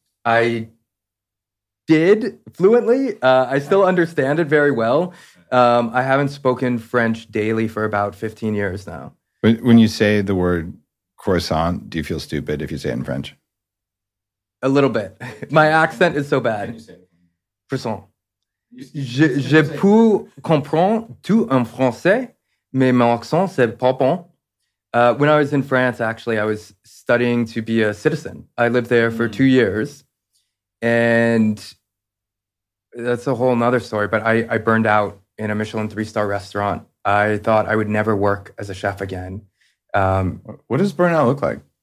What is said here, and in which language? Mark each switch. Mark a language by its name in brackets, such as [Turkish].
[English] I did fluently. I still understand it very well. I haven't spoken French daily for about 15 years now. When you say the word croissant, do you feel stupid if you say it in French? A little bit. My accent is so bad. Can you say it? Croissant. [French] Je peux comprendre tout en français, mais mon accent, c'est pas bon. [English] When I was in France, actually, I was studying to be a citizen. I lived there for 2 years, and that's a whole nother story, but I burned out in a Michelin 3-star restaurant. I thought I would never work as a chef again. What does burnout look like?